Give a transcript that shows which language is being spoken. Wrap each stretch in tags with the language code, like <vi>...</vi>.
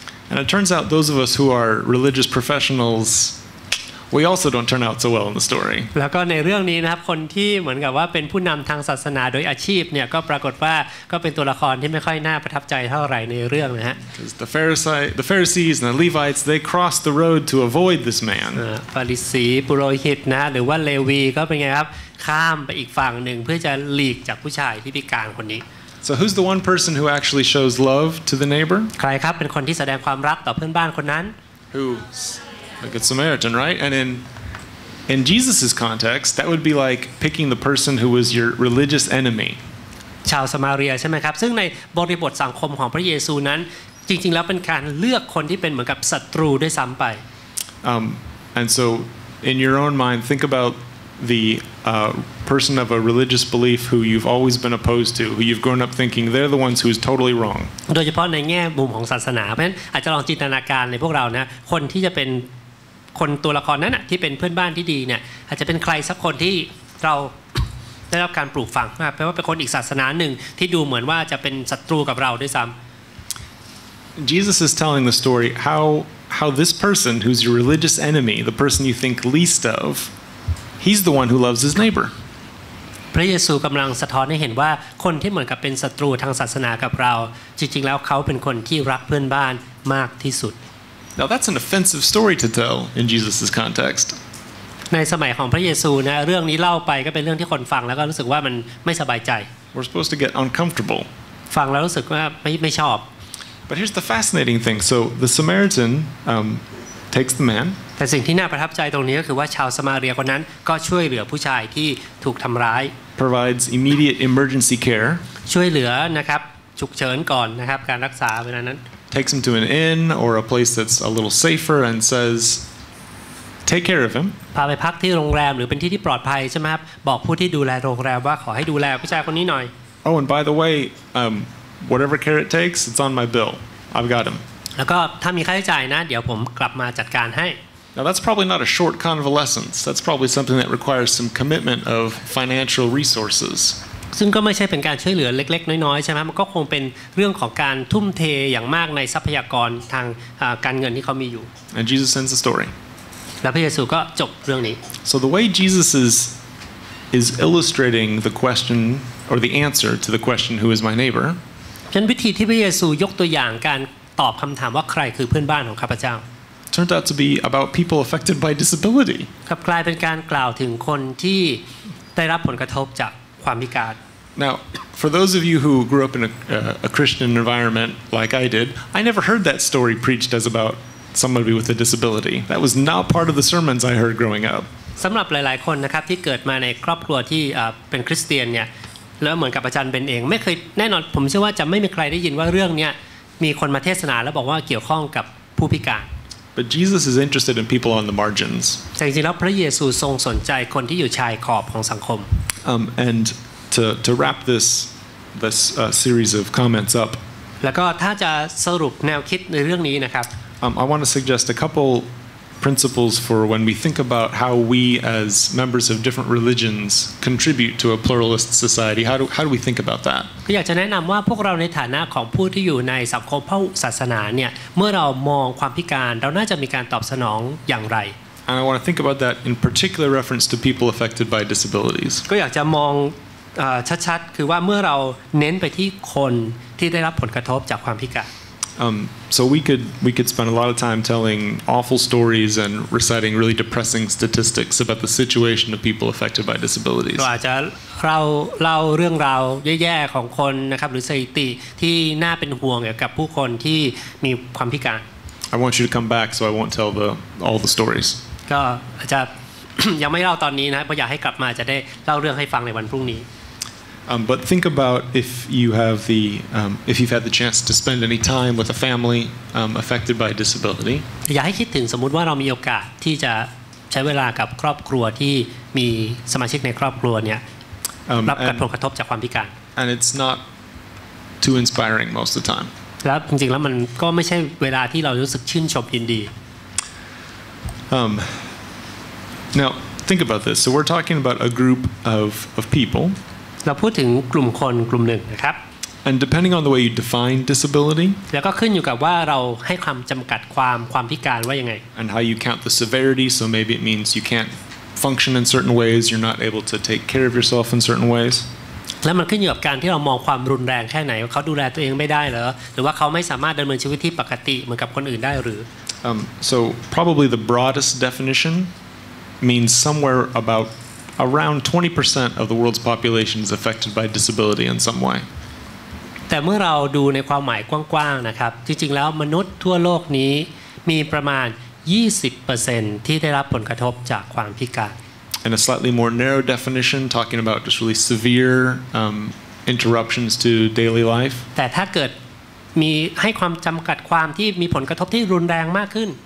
<en>And it turns out those of us who are religious professionals we also don't turn out so well in the story</en> <th>แล้วก็ในเรื่องนี้นะครับคนที่เหมือนกับว่าเป็นผู้นำทางศาสนาโดยอาชีพเนี่ยก็ปรากฏว่าก็เป็นตัวละครที่ไม่ค่อยน่าประทับใจเท่าไหร่ในเรื่องนะฮะ</th> <en>Because the Pharisees and the Levites they crossed the road to avoid this man</en> <th>ฟาริสีปุโรหิตนะหรือว่าเลวีก็เป็นไงครับข้ามไปอีกฝั่งหนึ่งเพื่อจะหลีกจากผู้ชายที่พิการคนนี้</th> <en>So who's the one person who actually shows love to the neighbor</en> <th>ใครครับเป็นคนที่แสดงความรักต่อเพื่อนบ้านคนนั้น</th> <en>Who's a good Samaritan, right? And in Jesus's context, that would be like picking the person who was your religious enemy.</en> <th>ชาวสมาเรียใช่ไหมครับซึ่งในบริบทสังคมของพระเยซูนั้นจริงๆแล้วเป็นการเลือกคนที่เป็นเหมือนกับศัตรูด้วยซ้ำไป</th> <en>And so, in your own mind, think about the person of a religious belief who you've always been opposed to, who you've grown up thinking they're the ones who is totally wrong.</en> <th>โดยเฉพาะในแง่มุมของศาสนาเพราะฉะนั้นอาจจะลองจินตนาการในพวกเรานะคนที่จะเป็นคนตัวละครนั้นน่ะที่เป็นเพื่อนบ้านที่ดีเนี่ยอาจจะเป็นใครสักคนที่เราได้รับการปลูกฝังมาแปลว่าเป็นคนอีกศาสนาหนึ่งที่ดูเหมือนว่าจะเป็นศัตรูกับเราด้วยซ้ํา</th> <en>Jesus is telling the story how this person who's your religious enemy the person you think least of he's the one who loves his neighbor</en> <th>พระเยซูกําลังสะท้อนให้เห็นว่าคนที่เหมือนกับเป็นศัตรูทางศาสนากับเราจริงๆแล้วเขาเป็นคนที่รักเพื่อนบ้านมากที่สุด</th> <en>Now that's an offensive story to tell in Jesus's context.</en> <th>ในสมัยของพระเยซูนะเรื่องนี้เล่าไปก็เป็นเรื่องที่คนฟังแล้วก็รู้สึกว่ามันไม่สบายใจ</th> <en>We're supposed to get uncomfortable.</en> <th>ฟังแล้วรู้สึกว่าไม่ชอบ</th> <en>But here's the fascinating thing. So the Samaritan takes the man.</en> <th>แต่สิ่งที่น่าประทับใจตรงนี้ก็คือว่าชาวสมาเรียคนนั้นก็ช่วยเหลือผู้ชายที่ถูกทำร้าย</th> <en>Provides immediate emergency care.</en> <th>ช่วยเหลือนะครับฉุกเฉินก่อนนะครับการรักษาเวลานั้น</th> <en>Takes him to an inn or a place that's a little safer and says, "Take care of him."</en> <th>พาไปพักที่โรงแรมหรือเป็นที่ที่ปลอดภัยใช่ไหมครับบอกผู้ที่ดูแลโรงแรมว่าขอให้ดูแลผู้ชายคนนี้หน่อย</th> <en>Oh, and by the way, whatever care it takes, it's on my bill. I've got him.</en> <th>แล้วก็ถ้ามีค่าใช้จ่ายนะเดี๋ยวผมกลับมาจัดการให้</th> <en>Now that's probably not a short convalescence. That's probably something that requires some commitment of financial resources.</en> <th>ซึ่งก็ไม่ใช่เป็นการช่วยเหลือเล็กๆน้อยๆใช่ไหมมันก็คงเป็นเรื่องของการทุ่มเทอย่างมากในทรัพยากรทางการเงินที่เขามีอยู่</th> <en>And Jesus ends the story</en> <th>แล้วพระเยซูก็จบเรื่องนี้</th> <en>So the way Jesus is illustrating the question or the answer to the question who is my neighbor</en> <th>ฉะนั้นวิธีที่พระเยซูยกตัวอย่างการตอบคำถามว่าใครคือเพื่อนบ้านของข้าพเจ้า</th> <en>turned out to be about people affected by disability</en> <th>ครับกลายเป็นการกล่าวถึงคนที่ได้รับผลกระทบจากความพิการ</th> <en>Now for those of you who grew up in a Christian environment like I did I never heard that story preached as aboutSomebody with a disability. That was not part of the sermons I heard growing up.</en> <th>สำหรับหลายๆคนนะครับที่เกิดมาในครอบครัวที่เป็นคริสเตียนเนี่ยแล้วเหมือนกับอาจารย์เบนเองไม่เคยแน่นอนผมเชื่อว่าจะไม่มีใครได้ยินว่าเรื่องเนี้ยมีคนมาเทศนาแล้วบอกว่าเกี่ยวข้องกับผู้พิการ</th> <en>But Jesus is interested in people on the margins.</en> <th>แต่จริงๆแล้วพระเยซูทรงสนใจคนที่อยู่ชายขอบของสังคม</th> <en>And to wrap this series of comments up.</en> <th>แล้วก็ถ้าจะสรุปแนวคิดในเรื่องนี้นะครับ</th> <en>I want to suggest a couple principles for when we think about how we as members of different religions contribute to a pluralist society. How do we think about that?</en> <th>อยากจะแนะนำว่าพวกเราในฐานะของผู้ที่อยู่ในสังคมพระศาสนาเนี่ยเมื่อเรามองความพิการเราน่าจะมีการตอบสนองอย่างไร</th> <en>And I want to think about that in particular reference to people affected by disabilities.</en> <th>ก็อยากจะมองชัดๆคือว่าเมื่อเราเน้นไปที่คนที่ได้รับผลกระทบจากความพิการ</th> <en>So we could spend a lot of time telling awful stories and reciting really depressing statistics about the situation of people affected by disabilities.</en> <th>เราจะเล่าเรื่องราวแย่ๆของคนนะครับหรือสถิติที่น่าเป็นห่วงเกี่ยวกับผู้คนที่มีความพิการ</th> <en>I want you to come back so I won't tell all the stories.</en> <th>ก็อาจารย์ยังไม่เล่าตอนนี้นะเพราะอยากให้กลับมาจะได้เล่าเรื่องให้ฟังในวันพรุ่งนี้</th> <en>But think about if you've had the chance to spend any time with a family affected by disability.</en> <th>อยากให้คิดถึงสมมติว่าเรามีโอกาสที่จะใช้เวลากับครอบครัวที่มีสมาชิกในครอบครัวเนี่ยรับผลกระทบจากความพิการ</th> <en>And it's not too inspiring most of the time.</en> <th>แล้วจริงๆแล้วมันก็ไม่ใช่เวลาที่เรารู้สึกชื่นชมยินดี</th> <en>Now think about this. So we're talking about a group of people.</en> <th>เราพูดถึงกลุ่มคนกลุ่มหนึ่งนะครับ</th> <en>And depending on the way you define disability</en> <th>แล้วก็ขึ้นอยู่กับว่าเราให้คำจำกัดความพิการว่ายังไง</th> <en>And how you count the severity so maybe it means you can't function in certain ways you're not able to take care of yourself in certain ways</en> <th>แล้วมันขึ้นอยู่กับการที่เรามองความรุนแรงแค่ไหนเขาดูแลตัวเองไม่ได้หรือว่าเขาไม่สามารถดำเนินชีวิตที่ปกติเหมือนกับคนอื่นได้หรือ</th> <en>So probably the broadest definition means somewhere aboutAround 20% of the world's population is affected by disability in some way.</en> <th>แต่เมื่อเราดูในความหมายกว้างๆนะครับจริงๆแล้วมนุษย์ทั่วโลกนี้มีประมาณ 20% ที่ได้รับผลกระทบจากความพิการ</th> <en>And a slightly more narrow definition talking about just really severe interruptions to daily life.</en> <th>แต่ถ้าเกิดมีให้ความจำกัดความที่มีผลกระทบที่รุนแรงมากขึ้น</th>